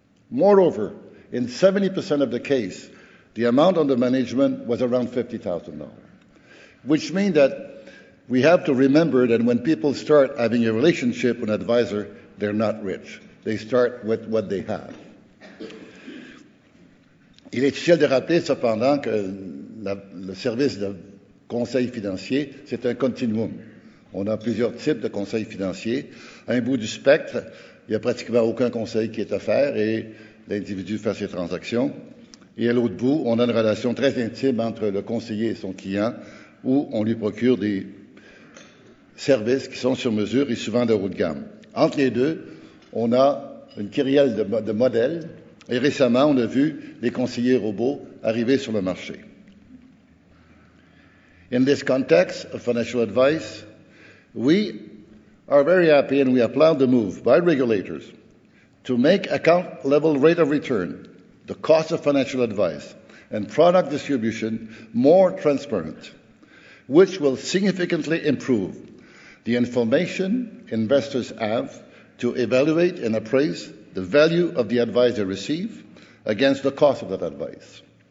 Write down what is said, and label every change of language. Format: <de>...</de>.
<en>Moreover, in 70% of the case, the amount under management was around $50,000, which means that we have to remember that when people start having a relationship with an advisor, they're not rich. They start with what they have.</en> <fr>Il est utile de rappeler cependant que le service de conseil financier, c'est un continuum. On a plusieurs types de conseils financiers. À un bout du spectre, il n'y a pratiquement aucun conseil qui est offert et l'individu fait ses transactions. Et à l'autre bout, on a une relation très intime entre le conseiller et son client où on lui procure des services qui sont sur mesure et souvent de haut de gamme. Entre les deux, on a une kyrielle de modèles et récemment, on a vu les conseillers robots arriver sur le marché.</fr> <en>In this context of financial advice, we are very happy and we applaud the move by regulators to make account-level rate of return, the cost of financial advice, and product distribution more transparent, which will significantly improve the information investors have to evaluate and appraise the value of the advice they receive against the cost of that advice.</en>